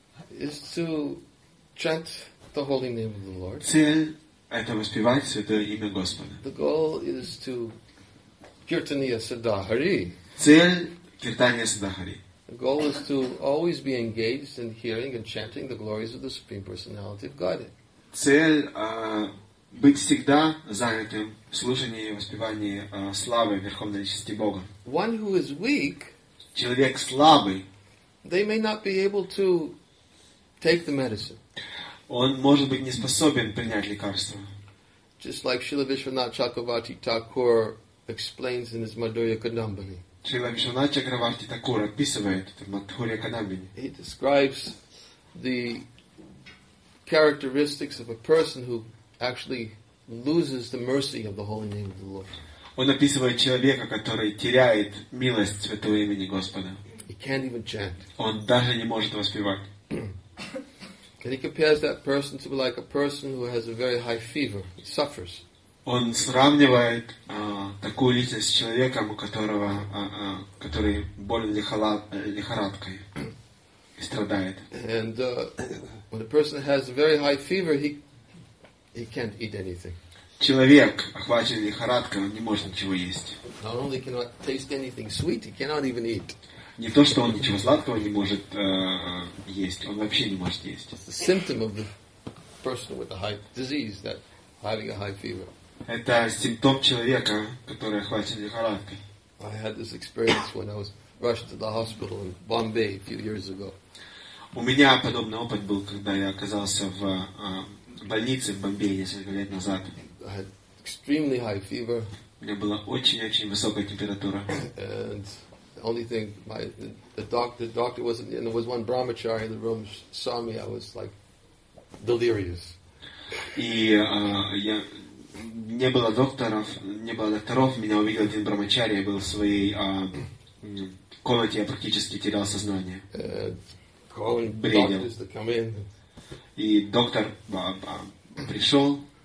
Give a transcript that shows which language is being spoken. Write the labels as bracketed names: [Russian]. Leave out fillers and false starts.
[English] is to chant the holy name of the Lord. [Russian] Цель это воспевать святое имя Господа. [English] The goal is to kirtaniya siddhahari. [Russian] Цель kirtaniya siddhahari. [English] The goal is to always be engaged in hearing and chanting the glories of the Supreme Personality of Godhead. [Russian] Цель быть всегда занятым в служении и воспевании славы Верховной Личности Бога. [English] One who is weak, [Russian] человек слабый, [English] they may not be able to take the medicine. [Russian] Он может быть не способен принять лекарство. [English] Just like Śrīla Viśvanātha Chakravarti Thakura explains in his Madhurya Kadambini. [Russian] Śrīla Viśvanātha Chakravarti Thakura описывает в Madhurya Kadambini. [English] He describes the characteristics of a person who actually loses the mercy of the holy name of the Lord. [Russian] Он описывает человека, который теряет милость святого имени Господа. [English] He can't even chant. [Russian] Он даже не может воспевать. [English] And he compares that person to like a person who has a very high fever, suffers. [Russian] Он сравнивает такую личность с человеком, который болен лихорадкой и страдает. [English] And when a person has a very high fever, he can't eat anything. [Russian] Человек, охваченный лихорадкой, он не может ничего есть. [English] Not only cannot taste anything sweet, he cannot even eat. [Russian] Не то, что он ничего сладкого не может есть, он вообще не может есть. [English] It's the symptom of the person with a high disease, that having a high fever. [Russian] Это симптом человека, который охвачен лихорадкой. [English] I had this experience when I was rushed to the hospital in Bombay a few years ago. [Russian] У меня подобный опыт был, когда я оказался в больнице в Бомбее несколько лет назад. [English] I had extremely high fever. [Russian] У меня была очень-очень высокая температура. [English] And only thing, the doctor wasn't, and there was one brahmachari in the room, saw me, I was like delirious. [Russian] И я не было докторов, не было докторов, меня увидел один брамачари, я был в своей комнате, я практически терял сознание. [English] Calling doctors to come in. [Russian] И доктор пришел.